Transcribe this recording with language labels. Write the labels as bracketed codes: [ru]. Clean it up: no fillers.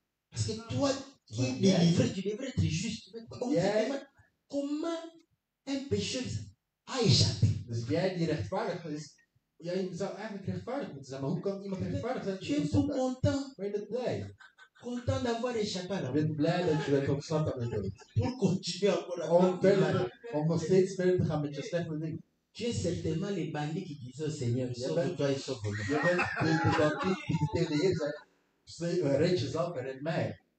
[fr] Parce que toi, qui es délivré, tu devrais être juste. Comment un pécheur a échappé? [nl] Dus jij die rechtvaardig is. Jij zou eigenlijk rechtvaardig moeten zijn, maar hoe kan iemand rechtvaardig zijn? [fr] Tu es tout content. [nl] Ben je dat blij? [fr] Content d'avoir échappé. [nl] Je bent blij dat je bent ontsnapt aan de dood. [fr] Pour continuer encore [nl] om verder, om nog steeds verder te gaan met je slechte dingen. [fr] Tu es certainement les bandits qui disent au Seigneur, sauve-toi et sauve-moi. [nl] Je bent de bandit qui dit tegen de Heer, zeg, red jezelf en red mij.